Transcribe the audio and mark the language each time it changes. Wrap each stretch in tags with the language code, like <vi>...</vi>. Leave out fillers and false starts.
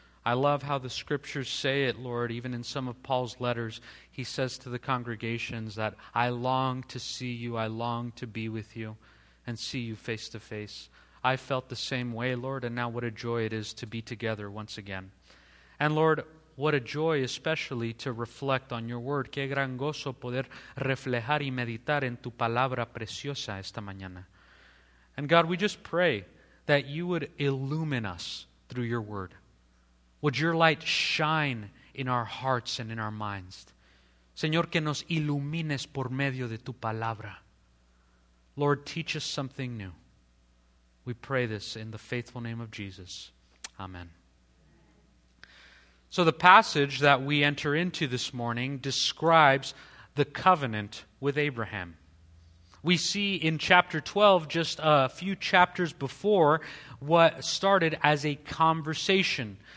<en>I love how the scriptures say it, Lord, even in some of Paul's letters, he says to the congregations that I long to see you, I long to be with you and see you face to face. I felt the same way, Lord, and now what a joy it is to be together once again. And Lord, what a joy especially to reflect on your word.</en> <es>Qué gran gozo poder reflejar y meditar en tu palabra preciosa esta mañana.</es> <en>And God, we just pray that you would illumine us through your word. Would your light shine in our hearts and in our minds?</en> <es>Señor, que nos ilumines por medio de tu palabra.</es> <en>Lord, teach us something new. We pray this in the faithful name of Jesus. Amen. So the passage that we enter into this morning describes the covenant with Abraham. We see in chapter 12, just a few chapters before, what started as a conversation.</en>